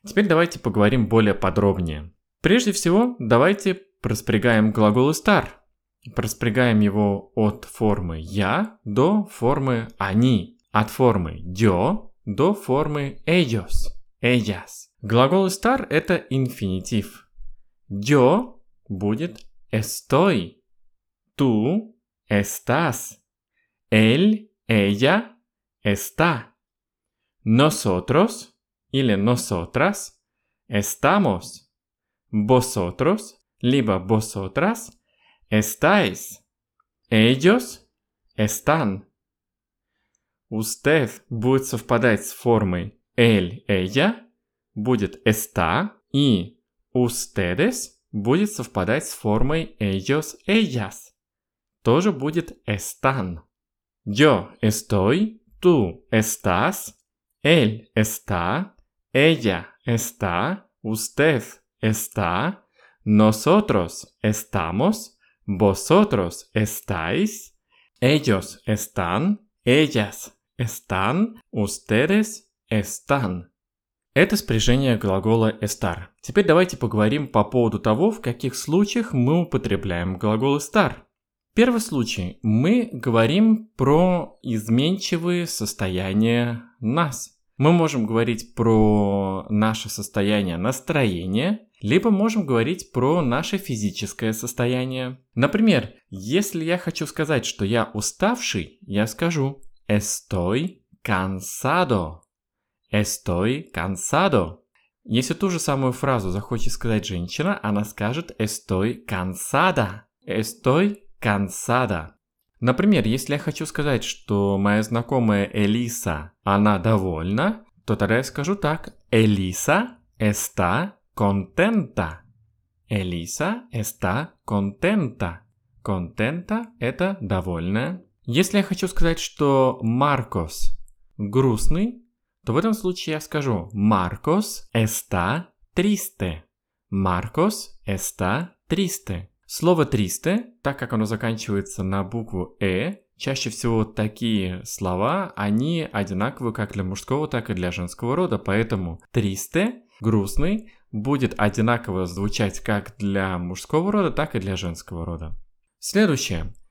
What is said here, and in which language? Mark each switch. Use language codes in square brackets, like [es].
[ru] Теперь давайте поговорим более подробнее. Прежде всего, давайте проспрягаем глагол estar. Проспрягаем его от формы «я» до формы «они». От формы «yo» до формы «ellos». [es] Ellas. [ru] Глагол estar – это инфинитив. [es] Yo будет estoy. Tú estás. Él, ella está. Nosotros или nosotras estamos. Vosotros, либо vosotras estáis. Ellos están. [ru] Usted будет совпадать с формой él, ella будет está, и ustedes будет совпадать с формой ellos, ellas. Тоже будет están. [es] Yo estoy, tú estás, él está, ella está, usted está, nosotros estamos, vosotros estáis, ellos están, ellas están, ustedes están. [ru] Это спряжение глагола estar. Теперь давайте поговорим по поводу того, в каких случаях мы употребляем глагол estar. Первый случай. Мы говорим про изменчивые состояния нас. Мы можем говорить про наше состояние настроения, либо можем говорить про наше физическое состояние. Например, если я хочу сказать, что я уставший, я скажу [es] estoy cansado. Estoy cansado. [ru] Если ту же самую фразу захочет сказать женщина, она скажет [es] estoy cansada. Estoy cansada. [ru] Например, если я хочу сказать, что моя знакомая Элиса, она довольна, то тогда я скажу так. [es] Элиса está contenta. Элиса está contenta. [ru] Contenta – это довольная. Если я хочу сказать, что Маркос грустный, то в этом случае я скажу [es] «Marcos está triste». «Marcos está triste». [ru] Слово «triste», так как оно заканчивается на букву «э», чаще всего такие слова, они одинаковы как для мужского, так и для женского рода, поэтому «triste», «грустный» будет одинаково звучать как для мужского рода, так и для женского рода. Следующее.